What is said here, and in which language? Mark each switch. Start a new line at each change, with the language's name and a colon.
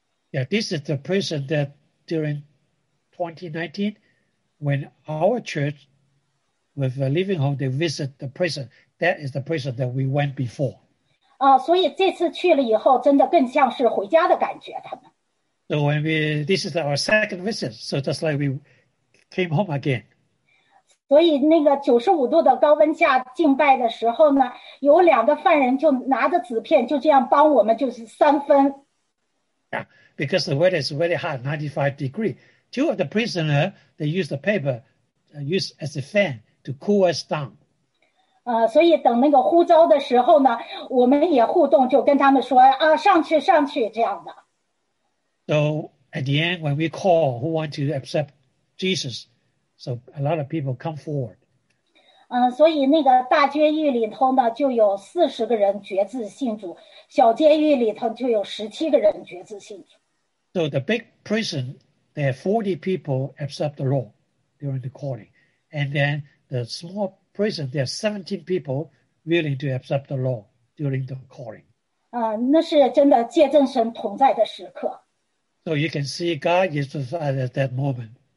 English: Yeah, this is the prison that during 2019, when our church,With a living home, they visit the prison. That is the prison that we went before.
Chinese: 所以这次去了以后，真的更像是回家的感觉。他们。
English: So when we, this is our second visit. So just like we came home again.
Chinese: 所以那个95度的高温下敬拜的时候呢，有两个犯人就拿着纸片，就这样帮我们，就是三分。
English: Yeah, because the weather is really hot, 95 degrees. Two of the prisoners, they use the paper. Use as a fan to cool us down.
Chinese: 所以等那个呼召的时候呢，我们也互动，就跟他们说啊，上去，上去，这样的。
English: So at the end, when we call who want to accept Jesus, so a lot of people come forward.
Chinese: 所以那个大监狱里头呢，就有40个人决志信主，小监狱里头就有17个人决志信主。
English: So the big prison, there are 40 people accept the Lord. During the calling. And then the small prison, there are 17 people willing to accept the law during the calling.
Chinese: 那是真的见证神同在的时刻。
English: So you can see God is with us at that moment.